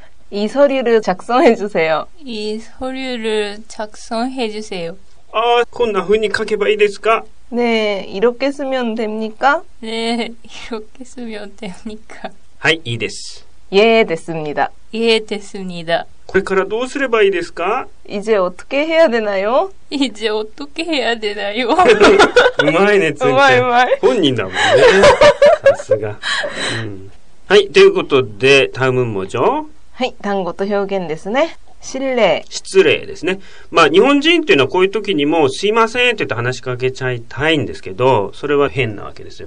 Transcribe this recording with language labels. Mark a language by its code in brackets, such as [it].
[ko] 이서류를작성해주세요 이서류를작성해주세요 이서류를작성해주세요 [ja] 아こんな風に書けばいいですか [ko] 네이렇게쓰면됩니까 네이렇게쓰면됩니까 [ja] はい、いいです。 [ko] 예됐습니다 예됐습니다 [ja] これからどうすればいいですか？ [ko] 이제어떻게해야되나요？ 이제어떻게해야되나요？ [ja] うまいね、つんちゃん。うまい、うまい。本人だもんね。さすが。はい、ということで、 [ko] 다음은뭐죠？ [ja] はい、単語と表現ですね。失礼。失礼ですね。まあ、日本人っていうのはこういう時にも、すいませんって言って話しかけちゃいたいんですけど、それは変なわけですよ。